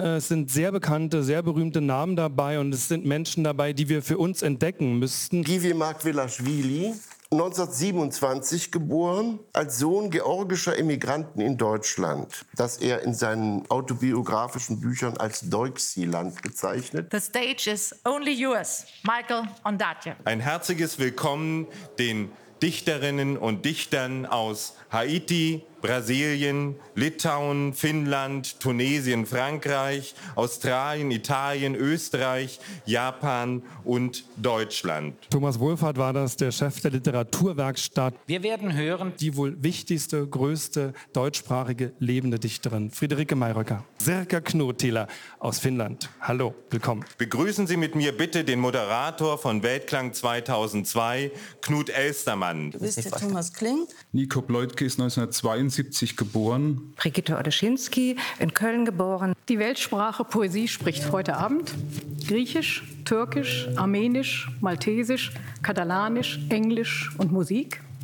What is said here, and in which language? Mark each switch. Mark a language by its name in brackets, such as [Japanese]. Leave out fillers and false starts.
[German] Es sind sehr bekannte, sehr berühmte Namen dabei und es sind Menschen dabei, die wir für uns entdecken müssten. Givi Markvelashvili. 1927 geboren, als Sohn georgischer Immigranten in Deutschland, das er in seinen autobiografischen Büchern als Deutschland bezeichnet. [English] The stage is only yours, Michael Ondaatje. [German] Ein herzliches Willkommen den Dichterinnen und Dichtern aus Haiti, Brasilien, Litauen, Finnland, Tunesien, Frankreich, Australien, Italien, Österreich, Japan und Deutschland. Thomas Wohlfahrt war das, der Chef der Literaturwerkstatt. Wir werden hören die wohl wichtigste, größte deutschsprachige lebende Dichterin, Friederike Mayröcker. Sirkka Knuuttila aus Finnland. Hallo, willkommen. Begrüßen Sie mit mir bitte den Moderator von Weltklang 2002, Knut Elstermann. Du bist der Thomas Kling. Nico Bleutke ist 1972 geboren. Brigitte Oleschinski, in Köln geboren. Die Weltsprache Poesie spricht heute Abend Griechisch, Türkisch, Armenisch, Maltesisch, Katalanisch, Englisch und Musik.